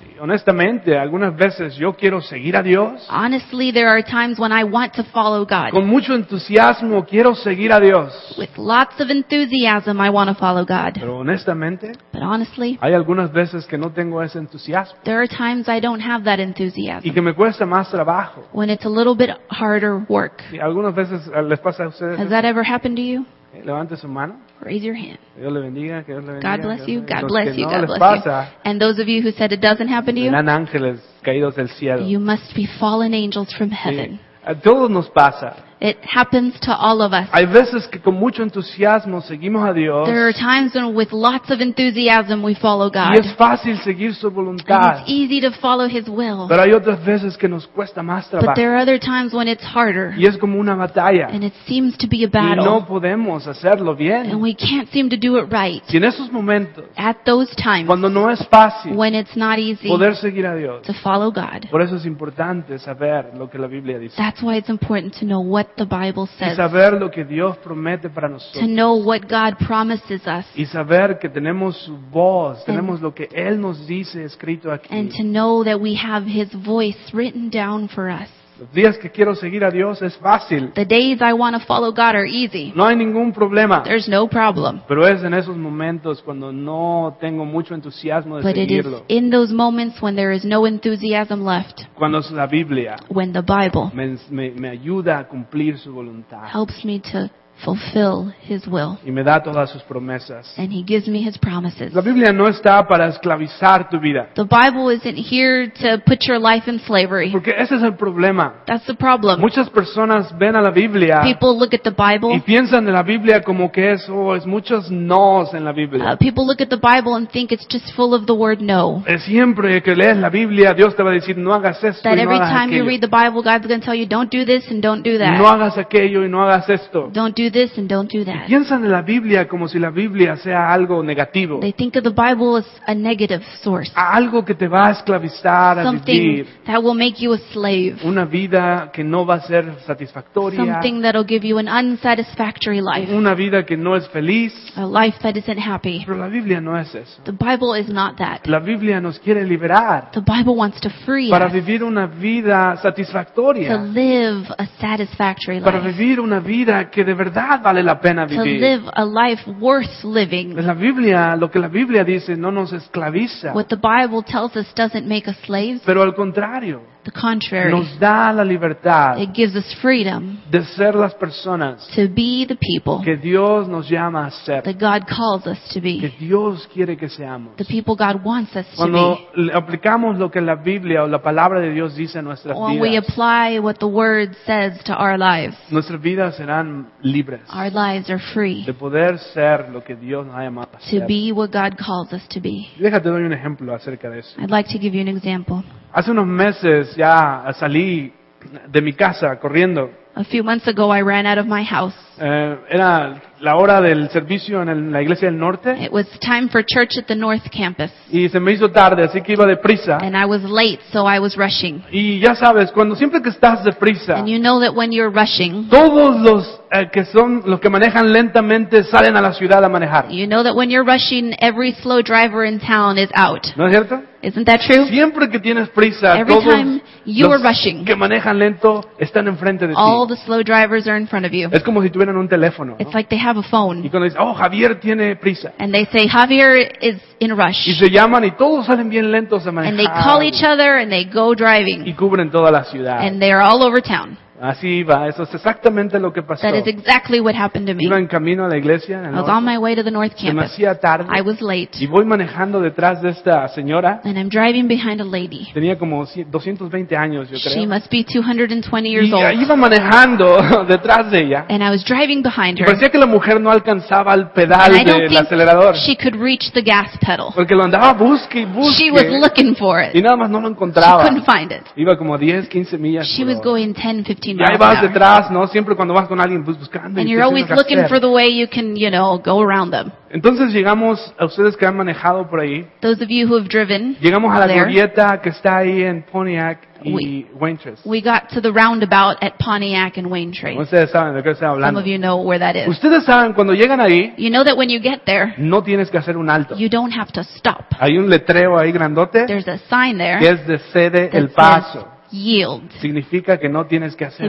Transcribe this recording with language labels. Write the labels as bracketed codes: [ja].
[es] Honestamente, algunas veces yo quiero seguir a Dios. [en] Honestly, there are times when I want to follow God. [es] Con mucho entusiasmo quiero seguir a Dios. [en] With lots of enthusiasm, I want to follow God. [es] Pero honestamente, [en] but honestly, [es] hay algunas veces que no tengo ese entusiasmo. [en] There are times I don't have that enthusiasm. [es] Y que me cuesta más trabajo. [en] When it's a little bit harder work. [es] ¿Y algunas veces les pasa a ustedes? [en] Has that ever happened to you? [es] Levante su mano. [en] Raise your hand. [es] Dios le bendiga, que Dios le bendiga. [en] God bless you. God bless you. God bless [es] pasa, [en] you. And those of you who said it doesn't happen to you, [es] eran ángeles caídos del cielo. [en] You must be fallen angels from heaven. [es] Sí. A todos nos pasa. [en] It happens to all of us. [es] Hay veces que con mucho entusiasmo seguimos a Dios. [en] There are times when with lots of enthusiasm we follow God. [es] Y es fácil seguir su voluntad. [en] And it's easy to follow his will. [es] Pero hay otras veces que nos cuesta más trabajo. [en] But there are other times when it's harder. [es] Y es como una batalla. [en] And it seems to be a battle. [es] Y no podemos hacerlo bien. [en] And we can't seem to do it right. [es] Y en esos momentos, [en] at those times, [es] cuando no es fácil, [en] when it's not easy, [es] poder seguir a Dios, [en] to follow God. [es] Por eso es importante saber lo que la Biblia dice. [en] That's why it's important to know what the Bible says. [es] Y saber lo que Dios promete para nosotros. [en] To know what God promises us. [es] Y saber que tenemos su voz, tenemos lo que Él nos dice escrito aquí. [en] And to know that we have His voice written down for us. [es] Los días que quiero seguir a Dios es fácil. [en] The days I want to follow God are easy. [es] No hay ningún problema. [en] There's no problem. [es] Pero es en esos momentos cuando no tengo mucho entusiasmo de [en] but [es] seguirlo. [en] But it is in those moments when there is no enthusiasm left. [es] Cuando es la Biblia. [en] When the Bible. [es] Me ayuda a cumplir su voluntad. [en] Helps me to fulfill his will. [es] Y me da todas sus promesas. [en] And he gives me his promises. [es] La Biblia no está para esclavizar tu vida. [en] The Bible isn't here to put your life in slavery. [es] Porque ese es el problema. [en] That's the problem. [es] Muchas personas ven a la Biblia. [en] People look at the Bible. [es] Y piensan de la Biblia como que es muchos no's en la Biblia. [en] People look at the Bible and think it's just full of the word no. [es] Es siempre que lees la Biblia, Dios te va a decir no hagas esto y no hagas aquello. [en] That every time you read the Bible, God's going to tell you don't do this and don't do that. [es] No hagas aquello y no hagas esto. [en] Do this and don't do that. [es] Piensan en la Biblia como si la Biblia sea algo negativo. [en] They think of the Bible as a negative source. [es] Algo que te va a esclavizar a vivir. [en] Something that will make you a slave. [es] Una vida que no va a ser satisfactoria. [en] Something that will give you an unsatisfactory life. [es] Una vida que no es feliz. [en] A life that isn't happy. [es] Pero la Biblia no es eso. [en] The Bible is not that. [es] La Biblia nos quiere liberar. [en] The Bible wants to free us. [es] Para vivir una vida satisfactoria. [en] To live a satisfactory life. [es] Para vivir una vida que de verdad vale la pena vivir. [en] To live a life worth living. [es] La Biblia, lo que la Biblia dice, no nos esclaviza. [en] What the Bible tells us doesn't make us slaves. [es] Pero al contrario. [en] The contrary. [es] Nos da la libertad. [en] It gives us freedom. [es] De ser las personas. [en] To be the people. [es] Que Dios nos llama a ser. [en] That God calls us to be. [es] Que Dios quiere que seamos. [en] The people God wants us [es] cuando [en] to be. [es] Cuando aplicamos lo que la Biblia o la palabra de Dios dice a nuestras [en] when When we apply what the word says to our lives. [es] Nuestras vidas serán libres. [en] Our lives are free. [es] De poder ser lo que Dios nos ha llamado a ser. [en] To be what God calls us to be. [es] Déjate doy un ejemplo acerca de eso. [en] I'd like to give you an example. [es] Hace unos meses ya salí de mi casa corriendo. [en] A few months ago I ran out of my house. [es] Era la hora del servicio en la iglesia del norte. [en] It was time for church at the north campus. [es] Y se me hizo tarde, así que iba de prisa. [en] And I was late, so I was rushing. [es] Y ya sabes, cuando siempre que estás de prisa. [en] And you know that when you're rushing. [es] Todos los que manejan lentamente salen a la ciudad a manejar. [en] You know that when you're rushing, every slow driver in town is out. [es] ¿No es cierto? [en] Isn't that true? [es] Siempre que tienes prisa, [en] every [es] todos [en] time you are rushing, [es] que manejan lento están enfrente de ti. [en] All the slow drivers are in front of you. [es] Es como si tuvieran un teléfono. [en] It's like they have a phone. [es] Y cuando dicen, oh, Javier tiene prisa. [en] And they say, Javier is in a rush. [es] Y se llaman y todos salen bien lentos a manejar. [en] And they call each other and they go driving. [es] Y cubren toda la ciudad. [en] And they are all over town. [es] Así iba, eso es exactamente lo que pasó. [en] That is exactly what happened to me. [es] Iba en camino a la iglesia. [en] I was on my way to the north campus. [es] Demasiado tarde. [en] I was late. [es] Y voy manejando detrás de esta señora. [en] And I'm driving behind a lady. [es] Tenía como 220 años, yo creo. [en] She must be 220 years old. [es] Y iba manejando detrás de ella. [en] And I was driving behind her. [es] Y parecía que la mujer no alcanzaba el pedal del acelerador. [en] She could reach the gas pedal. [es] Porque lo andaba busque y busque. [en] She was looking for it. [es] Y nada más no lo encontraba. [en] She couldn't find it. [es] Iba como 10, 15 millas. [en] She was going 10, 15. [es] Y ahí vas detrás, ¿no? Siempre cuando vas con alguien, pues buscando. [en] And you're always looking for the way you can, you know, go around them. [es] Entonces llegamos a ustedes que han manejado por ahí. [en] Those of you who have driven. [es] Llegamos a la glorieta que está ahí en Pontiac y Waintrace. [en] We got to the roundabout at Pontiac and Waintrace. [es] Ustedes saben de qué estoy hablando. [en] Some of you know where that is. [es] Ustedes saben cuando llegan ahí. [en] You know that when you get there. [es] No tienes que hacer un alto. [en] You don't have to stop. [es] Hay un letrero ahí grandote. [en] There's a sign there. [es] Que es de cede el paso. [en] Yield. [es] Significa que no tienes que hacer